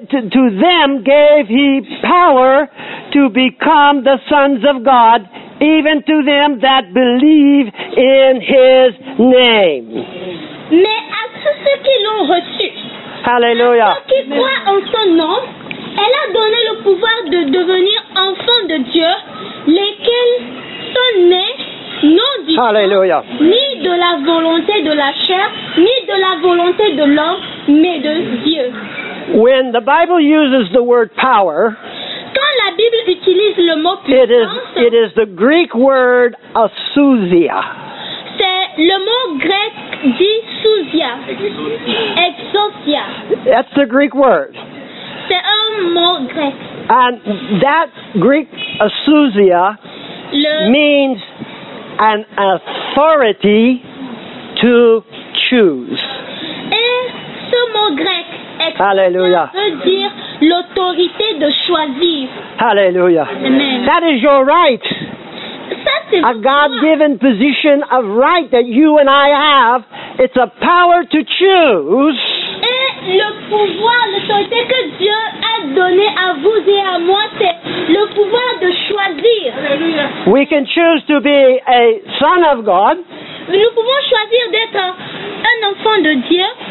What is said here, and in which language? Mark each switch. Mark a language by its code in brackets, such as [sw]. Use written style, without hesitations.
[en] to them gave he power to become the sons of God, even to them that believe in his name. [fr] Mais à tous ceux qui l'ont reçu, hallelujah, à ceux qui croient en son nom, elle a donné le pouvoir de devenir enfants de Dieu, lesquels sont nés non du corps, ni de la volonté de la chair, ni de la volonté de l'homme, mais de Dieu. [en] When the Bible uses the word power, [fr] quand la Bible utilise le mot puissance, [en] it is the Greek word ousia. [fr] C'est le mot grec dit ousia. [en] Exousia. That's the Greek word. [fr] C'est un mot grec. [en] And that Greek ousia means an authority to choose. [fr] Et ce mot grec, hallelujah, ça veut dire l'autorité de choisir. Hallelujah. Amen. [en] That is your right. [fr] Ça, c'est [en] a God-given [fr] droit. [en] Position of right that you and I have. It's a power to choose. [fr] Et le pouvoir, l'autorité que Dieu a donné à vous et à moi, c'est le pouvoir de choisir. Hallelujah. [en] We can choose to be a son of God. [fr] Nous pouvons choisir d'être un enfant de Dieu.